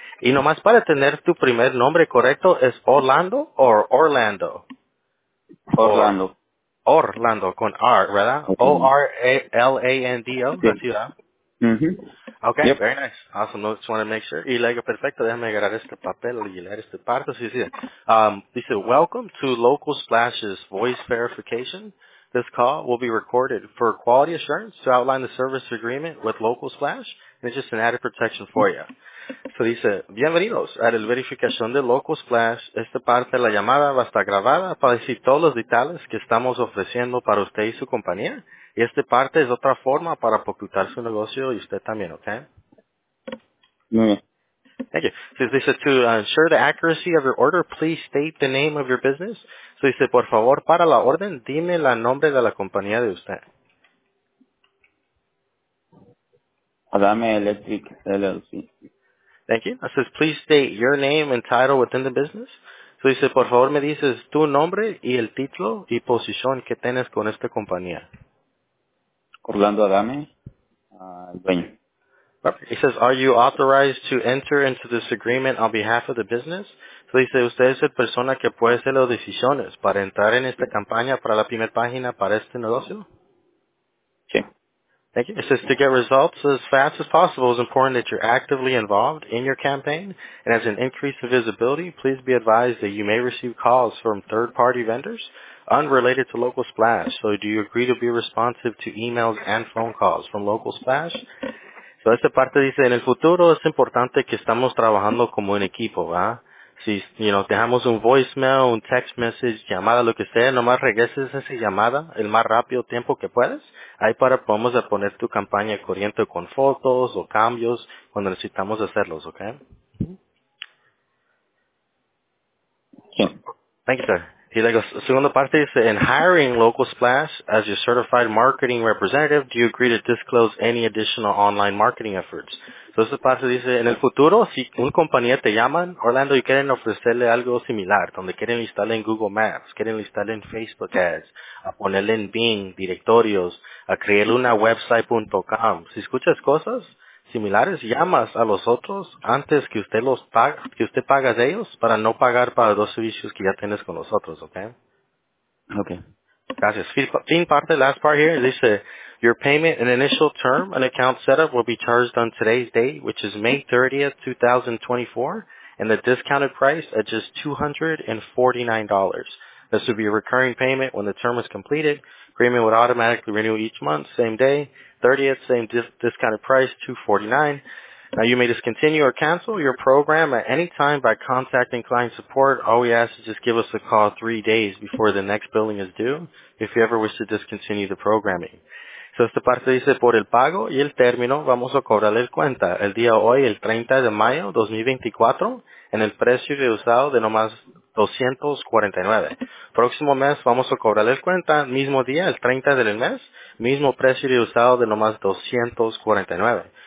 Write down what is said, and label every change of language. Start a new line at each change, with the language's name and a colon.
Spanish: Y nomás para tener tu primer nombre correcto, ¿es Orlando o Orlando? Orlando. Orlando, con R, ¿verdad? O-R-A-L-A-N-D-O, la ciudad. Okay,
English: yep. Very nice. Awesome, no, just want to make sure.
Spanish: Y le digo, perfecto, déjame agarrar este papel y leer este parte. Sí, sí. Dice,
English: welcome to Local Splash's voice verification. This call will be recorded for quality assurance to outline the service agreement with Local Splash. And it's just an added protection for you.
Spanish: So dice, bienvenidos a la verificación de Local Splash. Esta parte de la llamada va a estar grabada para decir todos los detalles que estamos ofreciendo para usted y su compañía. Y esta parte es otra forma para ocultar su negocio y usted también, ¿ok?
English: Thank you. So dice, to ensure the accuracy of your order, please state the name of your business.
Spanish: So dice, por favor, para la orden, dime el nombre de la compañía de usted. Adame Electric LLC.
English: Thank you. I says, please state your name and title within the business.
Spanish: So dice, por favor, me dices tu nombre y el título y posición que tienes con esta compañía. Orlando Adame, el dueño.
English: Perfect. He says, are you authorized to enter into this agreement on behalf of the business?
Spanish: So dice, usted es la persona que puede hacer las decisiones para entrar en esta campaña para la primera página para este negocio.
English: Thank you. It says, to get results as fast as possible, it's important that you're actively involved in your campaign. And as an increase in visibility, please be advised that you may receive calls from third-party vendors unrelated to Local Splash. So do you agree to be responsive to emails and phone calls from Local Splash?
Spanish: So esta parte dice, en el futuro es importante que estamos trabajando como un equipo, ¿va? Si,
English: you know,
Spanish: dejamos un voicemail, un text message, llamada, lo que sea, nomás regreses esa llamada el más rápido tiempo que puedas. Ahí para podemos poner tu campaña corriente con fotos o cambios cuando necesitamos hacerlos, ¿ok? Sí.
English: Thank you, sir.
Spanish: Y luego, segunda parte dice,
English: in hiring Local Splash as your certified marketing representative, do you agree to disclose any additional online marketing efforts?
Spanish: Entonces, esta parte dice, en el futuro, si una compañía te llaman, Orlando, y quieren ofrecerle algo similar, donde quieren instalarle en Google Maps, quieren instalarle en Facebook Ads, a ponerle en Bing, directorios, a crearle una website.com. Si escuchas cosas similares, llamas a los otros antes que usted los paga, que usted paga de ellos para no pagar para los servicios que ya tienes con los otros, ¿ok? Ok. Gracias. Fin parte,
English: last part here. Dice, your payment and initial term and account setup will be charged on today's date, which is May 30th, 2024, and the discounted price at just $249. This will be a recurring payment when the term is completed. Agreement would automatically renew each month, same day, 30th, same discounted price, $249. Now, you may discontinue or cancel your program at any time by contacting client support. All we ask is just give us a call 3 days before the next billing is due if you ever wish to discontinue the programming.
Spanish: So, esta parte dice, por el pago y el término, vamos a cobrarle el cuenta el día hoy, el 30 de mayo 2024, en el precio de usado de nomás $249. Próximo mes vamos a cobrarle el cuenta, mismo día, el 30 del mes, mismo precio de usado de nomás $249.